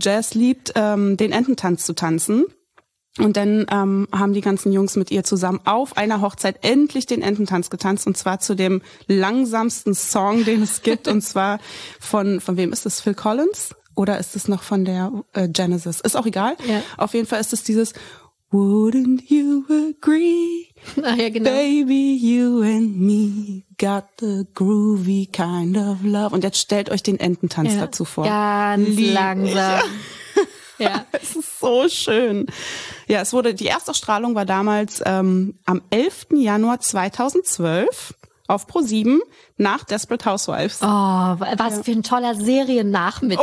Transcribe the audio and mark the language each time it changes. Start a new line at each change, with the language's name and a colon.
German: Jazz liebt, den Ententanz zu tanzen. Und dann haben die ganzen Jungs mit ihr zusammen auf einer Hochzeit endlich den Ententanz getanzt. Und zwar zu dem langsamsten Song, den es gibt. Und zwar von wem ist das? Phil Collins? Oder ist es noch von der Genesis? Ist auch egal. Ja. Auf jeden Fall ist es dieses
English: Wouldn't you agree?
German: Ach ja, genau.
English: Baby, you and me got the groovy kind of love.
German: Und jetzt stellt euch den Ententanz dazu vor. Ganz langsam. Ja, es ist so schön. Ja, es wurde, die Erstausstrahlung war damals am 11. Januar 2012 auf ProSieben nach Desperate Housewives. Oh, was für ein toller Seriennachmittag